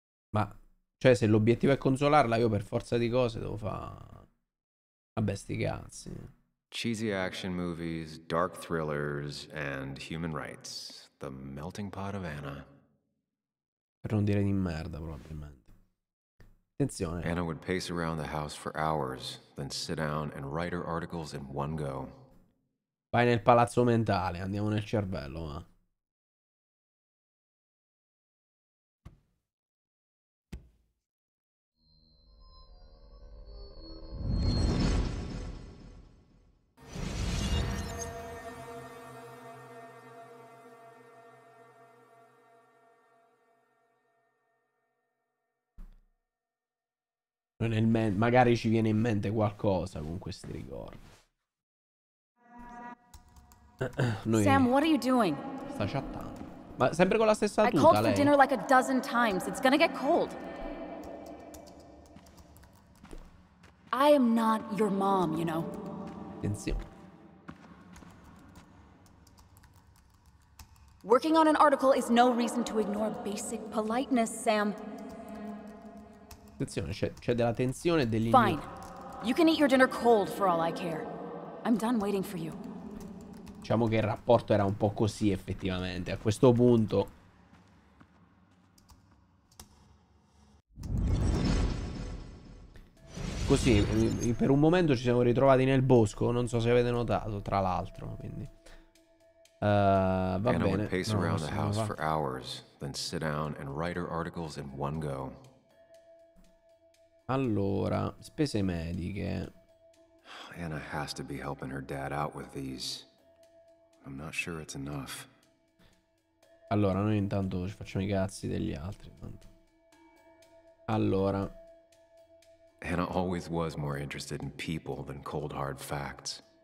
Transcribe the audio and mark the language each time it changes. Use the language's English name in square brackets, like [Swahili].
[Italian] Ma, cioè, se l'obiettivo è consolarla, io per forza di cose devo fare... Vabbè, sti cazzi. [English] Cheesy action movies, dark thrillers, and human rights. The melting pot of Anna. [Italian] Per non dire di merda, probabilmente. Attenzione. [English] Anna would pace around the house for hours, then sit down and write her articles in one go. [Italian] Vai nel palazzo mentale, andiamo nel cervello, va. Magari ci viene in mente qualcosa con questi ricordi. Noi... [English] Sam, what are you doing? [Italian] Sta chattando. Ma sempre con la stessa tuta, lei? [English] I called for dinner like a dozen times. It's gonna get cold. I am not your mom, you know. [Italian] Attenzione. [English] Working on an article is no reason to ignore basic politeness, Sam. [Italian] Attenzione, c'è della tensione e dell'inno. [English] Fine. You can eat your dinner cold for all I care. I'm done waiting for you. [Italian] Diciamo che il rapporto era un po' così, effettivamente. A questo punto. Così, per un momento ci siamo ritrovati nel bosco. Non so se avete notato, tra l'altro. Quindi. Va bene. [English] Anna would pace around the house for hours, then sit down and write her articles in one go. [Italian] Allora, spese mediche. [English] Anna has to be helping her dad out with these. I'm not sure it's enough. [Italian] Allora, noi intanto ci facciamo i cazzi degli altri. Intanto. Allora. [English] Anna always was more interested in people than cold hard facts.